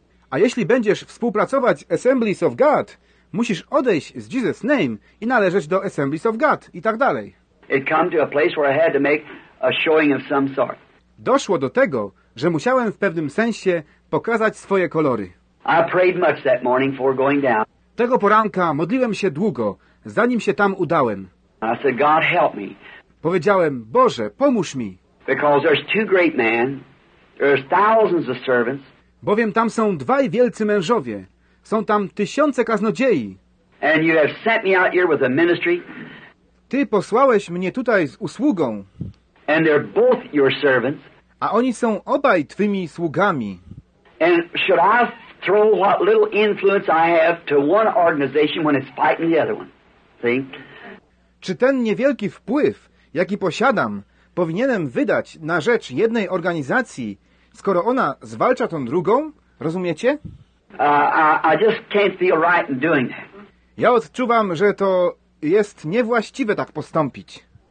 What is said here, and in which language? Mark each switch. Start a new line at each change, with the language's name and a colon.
Polish: A jeśli będziesz współpracować Assemblies of God, musisz odejść z Jesus' name i należeć do Assemblies of God i tak dalej.
English: It came to a place where I had to make a showing of some sort.
Polish: Doszło do tego, że musiałem w pewnym sensie pokazać swoje kolory.
English: I prayed much that morning before going down.
Polish: Tego poranka modliłem się długo, zanim się tam udałem.
English: I said, God, help me.
Polish: Powiedziałem, Boże, pomóż mi.
English: Because there's two great men, there's thousands of servants.
Polish: Bowiem tam są dwaj wielcy mężowie. Są tam tysiące kaznodziei.
English: And you have sent me out here with a ministry.
Polish: Ty posłałeś mnie tutaj z usługą.
English: And they're both your servants.
Polish: A oni są obaj twymi sługami.
English: And should I throw what little influence I have to one organization when it's fighting the other one? See?
Polish: Czy ten niewielki wpływ, jaki posiadam, powinienem wydać na rzecz jednej organizacji, skoro ona zwalcza tą drugą? Rozumiecie?
English: I just can't feel right in doing that.
Polish: Ja odczuwam, że to jest niewłaściwe tak postąpić.